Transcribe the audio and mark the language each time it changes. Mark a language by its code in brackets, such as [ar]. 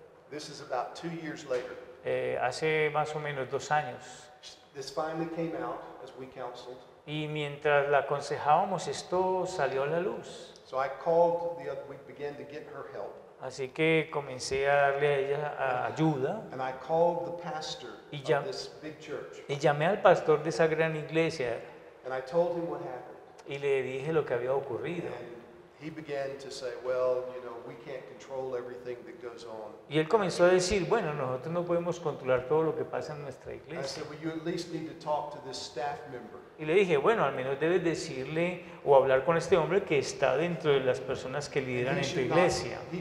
[en] This is about 2 years later. [es] Hace más o menos 2 años. [en] This finally came out as we counseled. [es] Y mientras la aconsejábamos esto salió a la luz. [en] So I called the other, we began to get her help. [es] Así que comencé a darle a ella ayuda. [en] And I called the pastor of this big church. [es] Y llamé al pastor de esa gran iglesia. [en] And I told him what happened. [es] Y le dije lo que había ocurrido. [en] And he began to say, well, you know, we can't control everything that goes on. [es] Y él comenzó a decir, bueno, nosotros no podemos controlar todo lo que pasa en nuestra iglesia. [en] I said, well, you at least need to talk to this staff member. [es] Y le dije, bueno, al menos debes decirle o hablar con este hombre que está dentro de las personas que lideran en tu iglesia.